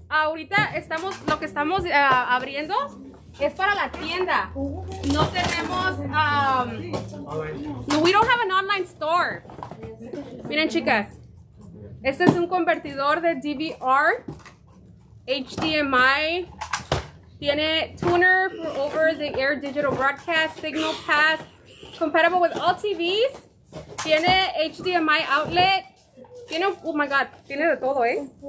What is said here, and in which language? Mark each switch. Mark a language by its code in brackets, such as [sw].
[es] Ahorita estamos, lo que estamos abriendo es para la tienda. No tenemos, [en] we don't have an online store. [es] Miren, chicas. Este es un convertidor de DVR, HDMI. Tiene [en] tuner for over the air digital broadcast, signal path, compatible with all TVs. [es] Tiene HDMI outlet. Tiene, [en] oh my God, [es] tiene de todo, eh.